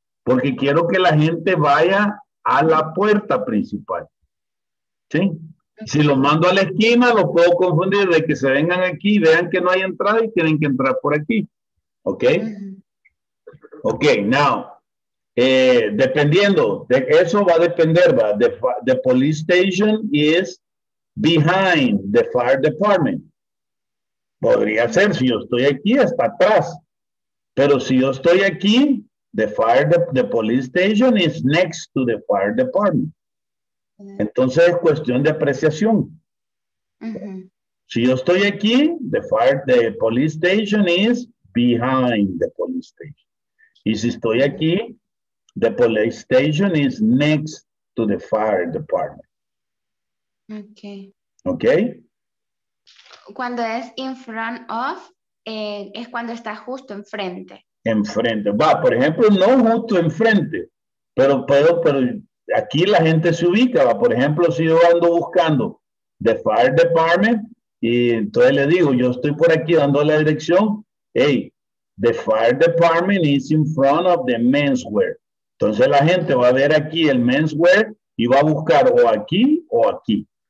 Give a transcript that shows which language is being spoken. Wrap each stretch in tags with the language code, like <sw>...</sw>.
<es>Porque quiero que la gente vaya a la puerta principal. ¿Sí? Si lo mando a la esquina, lo puedo confundir de que se vengan aquí y vean que no hay entrada y tienen que entrar por aquí. ¿Ok?</es> <en>Ok, now.</en> <es>Dependiendo, de eso va a depender, va.</es> <en>The police station is behind the fire department.</en> <es>Podría ser, si yo estoy aquí, está atrás. Pero si yo estoy aquí,</es> <en>the police station is next to the fire department.</en> <es>Entonces es cuestión de apreciación. Si yo estoy aquí,</es> <en>the police station is behind the police station.</en> <es>Y si estoy aquí,</es> <en>the police station is next to the fire department.</en> <es>Okay. Okay. Cuando es</es> <en>in front of,</en> <es>es cuando está justo enfrente. Enfrente. Va, por ejemplo, no justo enfrente, pero aquí la gente se ubica. Va, por ejemplo, si yo ando buscando</es> <en>the fire department,</en> <es>y entonces le digo, yo estoy por aquí dando la dirección.</es> <en>Hey, the fire department is in front of the menswear.</en> <es>Entonces la gente va a ver aquí el menswear y va a buscar o aquí o aquí.</es>